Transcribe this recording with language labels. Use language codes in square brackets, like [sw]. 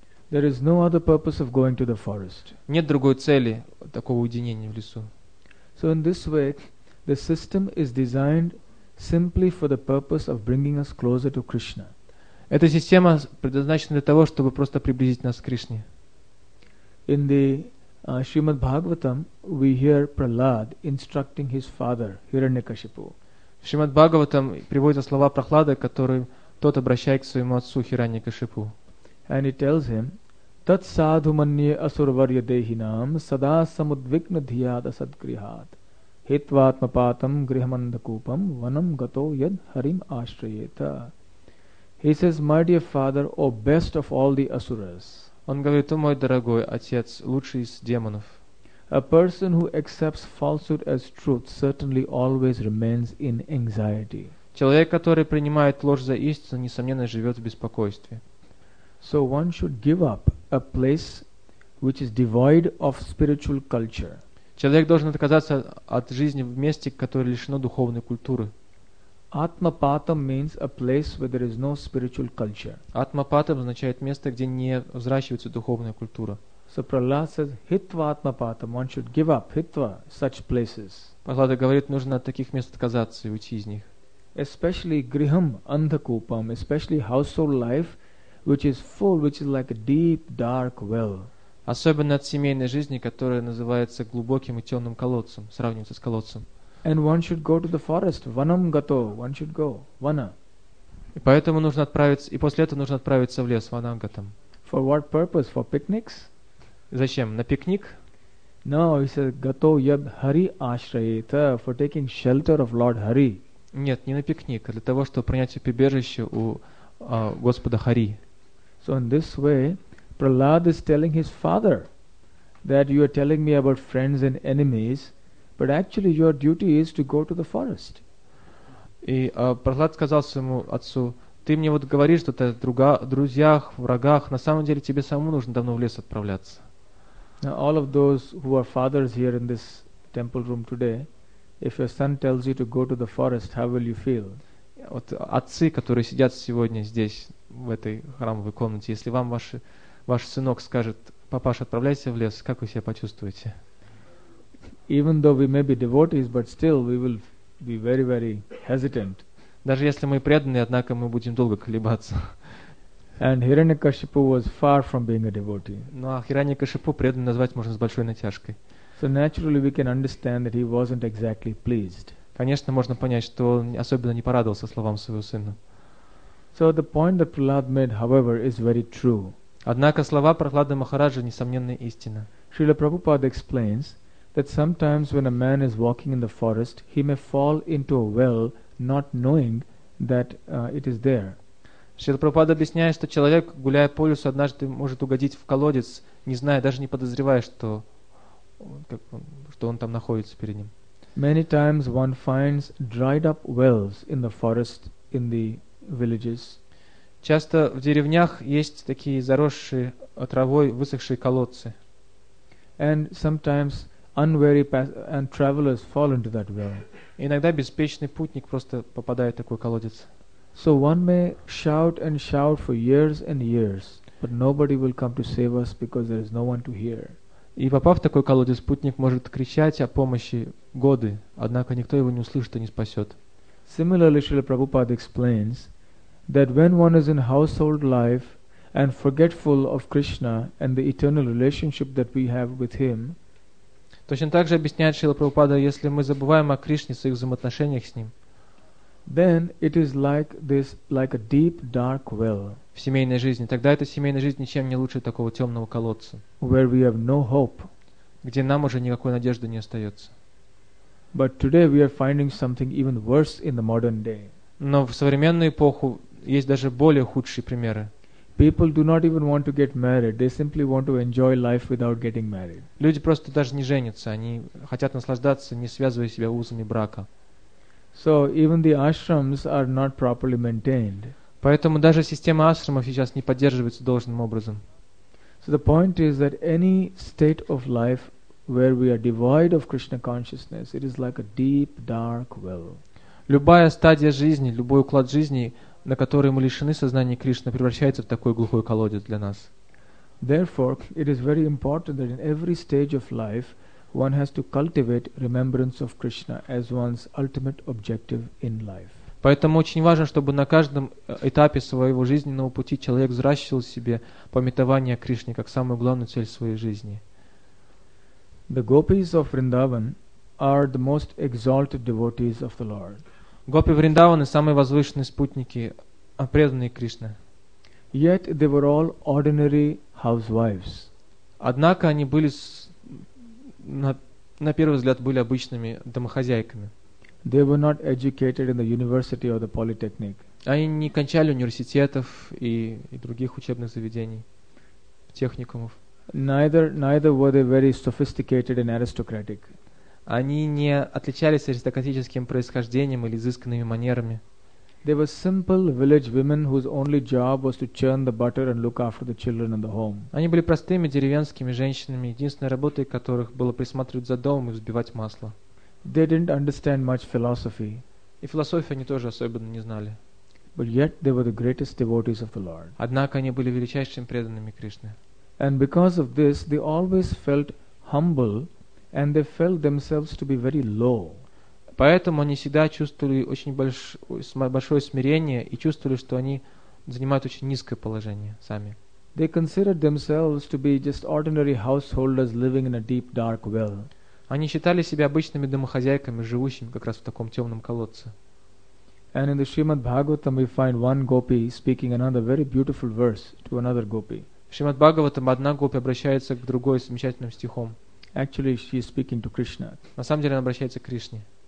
[en] There is no other purpose of going to the forest. [ru] Нет другой цели такого уединения в лесу. [en] So in this way, the system is designed simply for the purpose of bringing us closer to Krishna. [ru] Эта система предназначена для того, чтобы просто приблизить нас к Кришне. [en] In the Srimad Bhagavatam, we hear Prahlad instructing his father, Hiranyakashipu. [ru] В Шримад Бхагаватам приводятся слова Прохлада, которые тот обращает к своему отцу Хираньякашипу. [en] And he tells him, [sa] Tat sadhu manye asurvarya dehinam sada samudvigna dhyada sadgrihat. Hitvatmapatam grihamandakupam vanam gato yad harim ashrayeta. [en] He says, my dear father, O best of all the asuras. [ru] Он говорит, мой дорогой отец, лучший из демонов. [en] A person who accepts falsehood as truth certainly always remains in anxiety. [ru] Человек, который принимает ложь за истину, несомненно, живет в беспокойстве. [en] So one should give up a place which is devoid of spiritual culture. [ru] Человек должен отказаться от жизни в месте, которое лишено духовной культуры. [en] Atmapatam means a place where there is no spiritual culture. [ru] Atmapatam означает место, где не взращивается духовная культура. [en] So Prahlad says, [sa] hitva atmapatam, [en] one should give up hitva, such places. [ru] Прохлада говорит, нужно от таких мест отказаться и уйти из них. [en] Especially [sa] griham andhakupam, [en] especially household life, which is full, which is like a deep, dark well. [ru] Особенно от семейной жизни, которая называется глубоким и темным колодцем, сравнивается с колодцем. [en] And one should go to the forest, [sa] vanam gato, [en] one should go, vana. [ru] И поэтому нужно отправиться, и после этого нужно отправиться в лес, [sa] ванам гатам. [en] For what purpose? For picnics? [ru] Зачем? На пикник? [en] No, he said, [sa] gato yad hari ashrayeta, [en] for taking shelter of Lord Hari. [ru] Нет, не на пикник, а для того, чтобы принять прибежище у Господа Хари. [en] So in this way, Prahlad is telling his father that you are telling me about friends and enemies, but actually your duty is to go to the forest. [ru] И Прохлад сказал своему отцу, ты мне вот говоришь, что ты о друзьях, врагах, на самом деле тебе самому нужно давно в лес отправляться. [en] Now all of those who are fathers here in this temple room today, if your son tells you to go to the forest, how will you feel? [ru] Вот отцы, которые сидят сегодня здесь, в этой храмовой комнате, если вам ваш сынок скажет, папаша, отправляйся в лес, как вы себя почувствуете? [en] even though we may be devotees, but still we will be very, very hesitant. [ru] Даже если мы преданы, однако мы будем долго колебаться. [en] And Hiranyakashipu was far from being a devotee. [ru] Ну а Хираньякашипу преданным назвать можно с большой натяжкой. [en] So naturally we can understand that he wasn't exactly pleased. [ru] Конечно, можно понять, что он особенно не порадовался словам своего сына. [en] So the point that Prahlad made, however, is very true. [ru] Однако слова Прахлады Махараджа несомненная истина. [en] Шрила Прабхупада explains that sometimes when a man is walking in the forest, he may fall into a well, not knowing that it is there. [ru] Шрила Прабхупада объясняет, что человек, гуляя по лесу, однажды может угодить в колодец, не зная, даже не подозревая, что он, как, что он там находится перед ним. [en] Many times one finds dried up wells in the forest, in the villages. [ru] Часто в деревнях есть такие заросшие травой высохшие колодцы. [en] And sometimes unwary and travelers fall into that well. [ru] Иногда беспечный путник просто попадает в такой колодец. [en] So one may shout and shout for years and years, but nobody will come to save us because there is no one to hear. [ru] И попав в такой колодец, путник может кричать о помощи годы, однако никто его не услышит и не спасет. [en] Similarly, Srila Prabhupada explains that when one is in household life and forgetful of Krishna and the eternal relationship that we have with Him, [ru] точно так же объясняет Шрила Прабхупада, если мы забываем о Кришне в своих взаимоотношениях с Ним, [en] then it is like this, like a deep dark well. [ru] В семейной жизни. Тогда эта семейная жизнь ничем не лучше такого темного колодца, [en] where we have no hope. [ru] Где нам уже никакой надежды не остается. [en] But today we are finding something even worse in the modern day. [ru] Но в современную эпоху есть даже более худшие примеры. [en] People do not even want to get married. They simply want to enjoy life without getting married. [ru] Люди просто даже не женятся. Они хотят наслаждаться, не связывая себя узами брака. [en] So even the ashrams are not properly maintained. [ru] Поэтому даже система ашрамов сейчас не поддерживается должным образом. [en] So the point is that any state of life where we are devoid of Krishna consciousness, it is like a deep, dark well. [ru] Любая стадия жизни, любой уклад жизни, на который мы лишены сознания Кришны, превращается в такой глухой колодец для нас. [en] Therefore, it is very important that in every stage of life, one has to cultivate remembrance of Krishna as one's ultimate objective in life. [ru] Поэтому очень важно, чтобы на каждом этапе своего жизненного пути человек взращивал в себе памятование о Кришне как самую главную цель своей жизни. [en] The gopis of Vrindavan are the most exalted devotees of the Lord. [ru] Гопи Вриндаваны – самые возвышенные спутники, преданные Кришне. [en] Yet they were all ordinary housewives. [ru] Однако они были, на первый взгляд, были обычными домохозяйками. [en] They were not educated in the university or the polytechnic. [ru] Они не кончали университетов и других учебных заведений, техникумов. [en] Neither were they very sophisticated and aristocratic. [ru] Они не отличались аристократическим происхождением или изысканными манерами. [en] They were simple village women whose only job was to churn the butter and look after the children and the home. [ru] Они были простыми деревенскими женщинами, единственной работой которых было присматривать за домом и взбивать масло. [en] They didn't understand much philosophy. [ru] И философию они тоже особенно не знали. [en] But yet they were the greatest devotees of the Lord. [ru] Однако они были величайшими преданными Кришны. [en] And because of this, they always felt humble, and they felt themselves to be very low. [ru] Поэтому они всегда чувствовали большое смирение и чувствовали, что они занимают очень низкое положение сами. [en] They considered themselves to be just ordinary householders living in a deep dark well. [ru] Они считали себя обычными домохозяйками, живущими как раз в таком темном колодце. [en] And in the Srimad Bhagavatam we find one gopi speaking another very beautiful verse to another gopi. [ru] В Шримад Бхагаватам одна гопи обращается к другой замечательным стихом. [en] Actually, she is speaking to Krishna. [ru] На самом деле она обращается к Кришне.